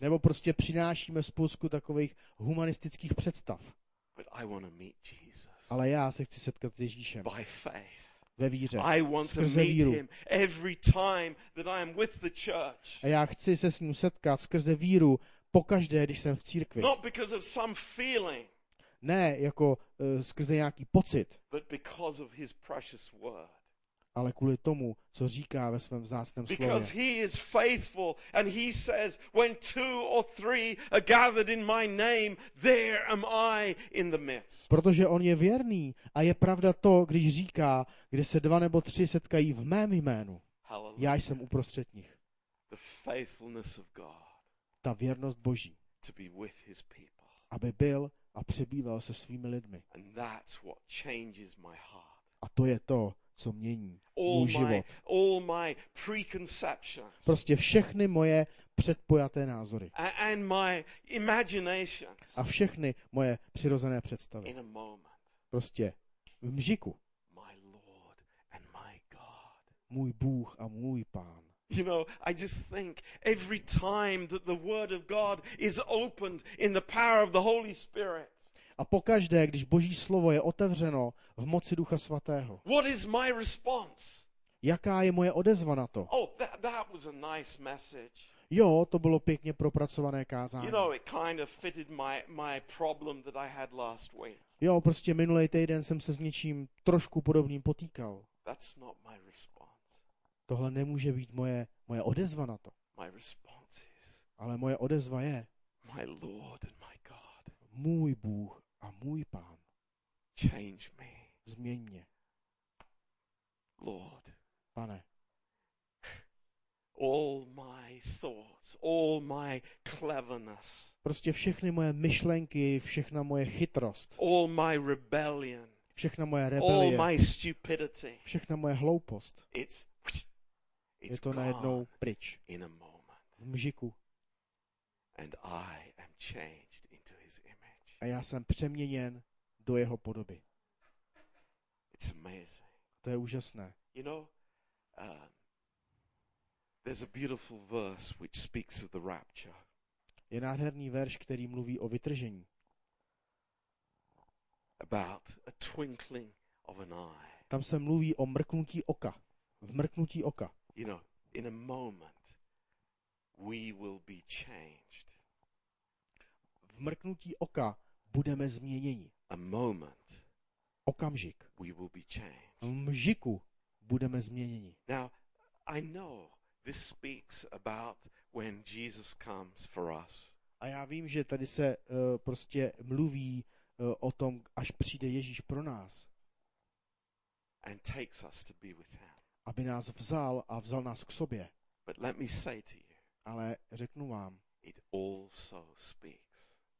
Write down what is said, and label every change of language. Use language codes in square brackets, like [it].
[cs] Nebo prostě přinášíme spoustu takových humanistických představ. [en] But I want to meet Jesus. [cs] Ale já se chci setkat s Ježíšem. [en] By faith. [cs] Ve víře, [en] I want to meet [cs] víru. [en] Him every time that I am with the church. [cs] A já chci se s ním setkat skrze víru pokaždé, když jsem v církvi. [en] Not because of some feeling. [cs] Ne, jako skrze nějaký pocit. [en] But because of his precious word. [cs] Ale kvůli tomu, co říká ve svém vzácném slově. [en] Because he is faithful and he says when two or three are gathered in my name, there am I in the midst. [cs] Protože on je věrný a je pravda to, když říká, kde se dva nebo tři setkají v mém jménu. [en] Hallelujah. [cs] Já jsem uprostřed nich. [en] The faithfulness of God. [cs] Ta věrnost Boží. [en] To be with his people. [cs] Aby byl a přebýval se svými lidmi. [en] And that's what changes my heart. [cs] A to je to, co mění můj život. [en] All my preconceptions. [cs] Prostě všechny moje předpojaté názory. [en] And my imaginations. [cs] A všechny moje přirozené představy. [en] In a moment. [cs] Prostě v mžiku. [en] My Lord and my God. [cs] Můj Bůh a můj Pán. [en] You know, I just think every time that the word of God is opened in the power of the Holy Spirit. [cs] A pokaždé, když Boží slovo je otevřeno v moci Ducha Svatého. [en] What is my response? [cs] Jaká je moje odezva na to? [en] Oh, that was a nice message. [cs] Jo, to bylo pěkně propracované kázání. [en] You know, it kind of fitted my problem that I had last week. [cs] Jo, prostě minulý týden jsem se s něčím trošku podobným potýkal. [en] That's not my response. [cs] Tohle nemůže být moje odezva na to. [en] My response is. [cs] Ale moje odezva je. [en] My Lord and my God. [cs] Můj Bůh a můj Pán. [en] Change me. [cs] Změň mě. [en] Lord. [cs] Pane. [en] All my thoughts, all my cleverness. [cs] Prostě všechny moje myšlenky, všechna moje chytrost. [en] All my rebellion. [cs] Všechna moje rebelie. [en] All my stupidity. [cs] Všechna moje hloupost. [en] It's [cs] je to najednou pryč. [en] In a moment. [cs] V mžiku. [en] And I am changed. [cs] A já jsem přeměněn do jeho podoby. [en] It's amazing. [cs] To je úžasné. [en] You know, there's a beautiful verse which speaks of the rapture. [cs] Je nádherný verš, který mluví o vytržení. [en] About a twinkling of an eye. [cs] Tam se mluví o mrknutí oka. V mrknutí oka. [en] You know, in a moment we will be changed. [cs] V mrknutí oka budeme změněni. [en] A moment. [cs] Okamžik. [en] We will be changed. [cs] V mžiku budeme změněni. [en] Now, I know this speaks about when Jesus comes for us. [cs] A já vím, že tady se prostě mluví o tom, až přijde Ježíš pro nás. [en] And takes us to be with him. [cs] Aby nás vzal a vzal nás k sobě. [en] But let me say to you. [cs] Ale řeknu vám. [en] It also speaks.